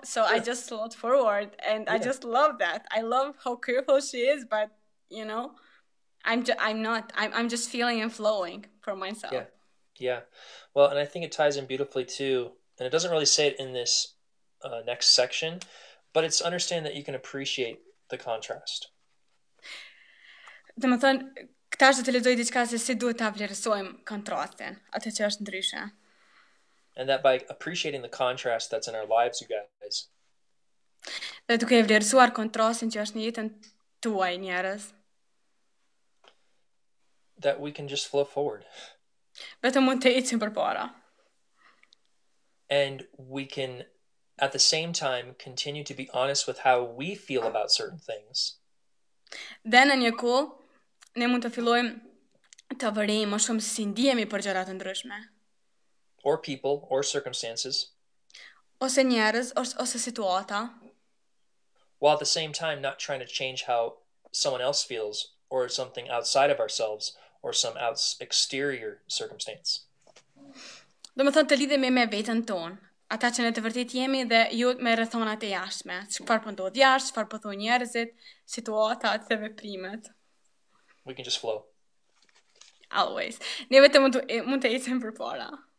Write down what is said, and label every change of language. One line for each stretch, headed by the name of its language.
English: So I just slowed forward and I just love that. I love how careful she is, but you know, I'm not. I'm just feeling and flowing for myself. Well, and I think it ties in beautifully too. And it doesn't really say it in this next section, but it's understand that you can appreciate the contrast.
Albanian: Dhe më thënë, këta është të të lidoj diçka se si duhet të avlerësojmë kontrastin, atë që është ndryshe.
English: And that by appreciating the contrast that's in our lives, you guys.
Albanian: Dhe duke e vlerësuar kontrastin që është në jetën tuaj njerës.
English: That we can just flow forward.
Albanian: Vetëm mund të ecim përpara.
English: And we can, at the same time, continue to be honest with how we feel about certain things.
Albanian: Dhe në një kohë, ne mund të fillojmë të vërejmë më shumë si ndihemi për gjëra të ndryshme.
English: Or people, or circumstances.
Albanian: Ose njerëz, ose situata.
English: While at the same time, not trying to change how someone else feels, or something outside of ourselves, or some out exterior circumstance.
Albanian: Do më thënë të lidhemi me veten tonë, ata që ne të vërtet jemi dhe jo me rrethonat e jashtme, çfarë po ndodh jashtë, çfarë po thonë njerëzit, situata atë veprimet.
English: We can just flow. Always.
Albanian: Ne vetëm mund të ecim përpara.